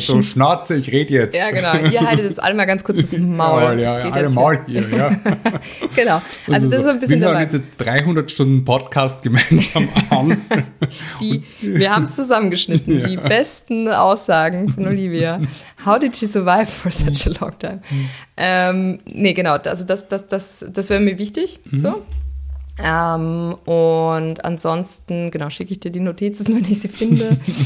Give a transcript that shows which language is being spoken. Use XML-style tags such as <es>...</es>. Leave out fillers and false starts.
<de>So, Schnauze, ich rede jetzt. Ja, genau. Ihr haltet jetzt alle mal ganz kurz das Maul. Ja, ja, alle Maul hier, ja. Genau. Also das ist ein bisschen dabei. Wir haben jetzt 300 Stunden Podcast gemeinsam an. wir haben es zusammengeschnitten. Ja. Die besten Aussagen von Olivia.</de> <en>How did she survive for such a long time?</en> <de>Nee, genau. Also das wäre mir wichtig. Mhm. So. Und ansonsten, genau, schicke ich dir die Notizen, wenn ich sie finde.</de>